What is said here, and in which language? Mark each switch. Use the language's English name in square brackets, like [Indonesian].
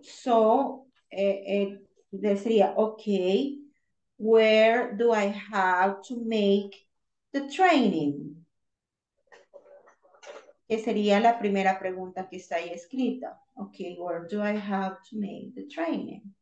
[English] So, [Spanish] decía, [English] okay, where do I have to make the training? [Spanish] Que sería la primera pregunta que está ahí escrita. [English] Okay, where do I have to make the training?